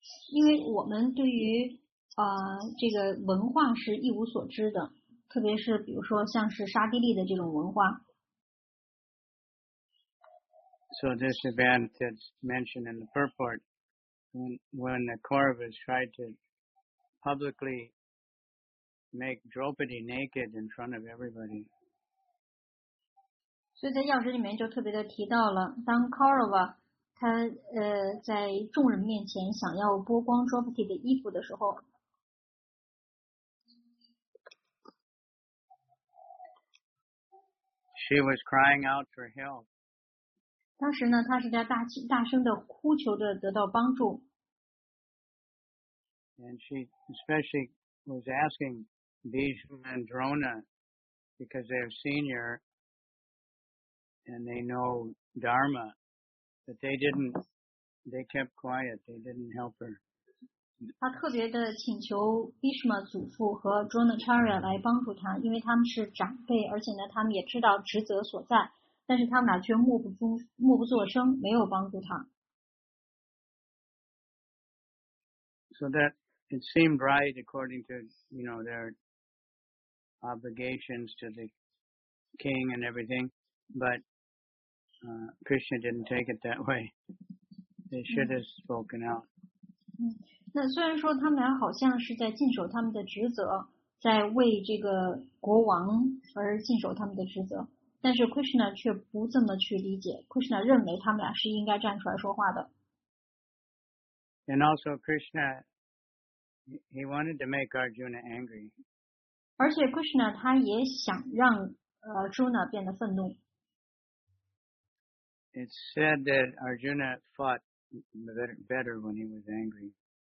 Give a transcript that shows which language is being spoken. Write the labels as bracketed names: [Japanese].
[Chinese] 因为我们对于这个文化是一无所知的，特别是比如说像是沙地利的这种文化。 [English] So this event that's mentioned in the purport, when the Kauravas tried to publicly make Draupadi naked in front of everybody. [Chinese] 所以在药师里面就特别的提到了，当 Kaurava 他在众人面前想要剥光 Draupadi 的衣服的时候 [English] ，She was crying out for help。 [Chinese] 当时呢，他是在大声的呼求着得到帮助。 [English] And she especially was asking Bhishma and Drona because they have senior. And they know Dharma, but they didn't, they kept quiet, they didn't help her. [Chinese] 他特别的请求 Bhishma 祖父和 Dronacharya 来帮助他，因为他们是长辈，而且呢，他们也知道职责所在，但是他们俩却默不作声，没有帮助他。 [English] So that, it seemed right according to, you know, their obligations to the king and everything, but,Krishna didn't take it that way. They should have spoken out. [Chinese] 那虽然说他们俩好像是在尽守他们的职责，在为这个国王而尽守他们的职责，但是 Krishna 却不这么去理解。 Krishna 认为他们俩是应该站出来说话的。 [English] And also Krishna, he wanted to make Arjuna angry. [Chinese] 而且 Krishna 他也想让Arjuna 变得愤怒。 [English] It's said that Arjuna fought better when he was angry.